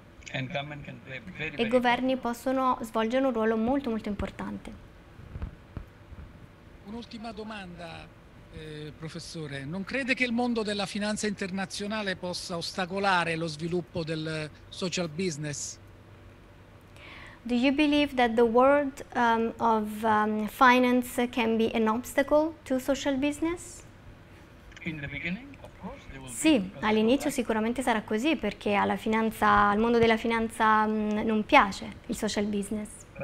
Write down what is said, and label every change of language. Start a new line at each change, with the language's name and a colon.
Italian: E i governi possono svolgere un ruolo molto, molto importante. Un'ultima domanda. Professore, non crede che il mondo della finanza internazionale possa ostacolare lo sviluppo del social business?
English: Do you believe that the world of finance can be an obstacle to social business? In the beginning, of course, there will
Italian: sì, all'inizio sicuramente sarà così, perché alla finanza, al mondo della finanza non piace il social business.